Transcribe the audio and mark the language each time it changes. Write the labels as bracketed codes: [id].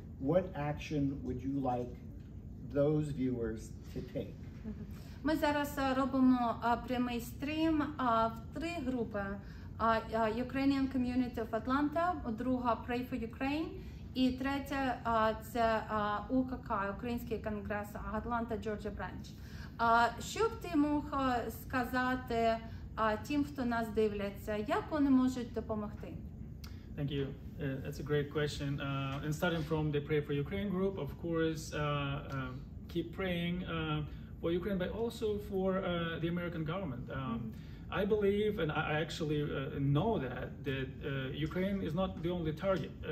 [en] What action would you like those viewers to take? [uk] Ми зараз робимо прямий стрім в три групи. Ukrainian Community of Atlanta, друга Pray for Ukraine, і третя це УКК, Український Конгрес Atlanta Georgia Branch. Що б ти мог сказати тим, хто нас дивляться? Як вони можуть допомогти? [en] Thank you. That's a great question. And starting from the Pray for Ukraine group, of course, keep praying. For Ukraine, but also for the American government. I believe, and I actually know that Ukraine is not the only target.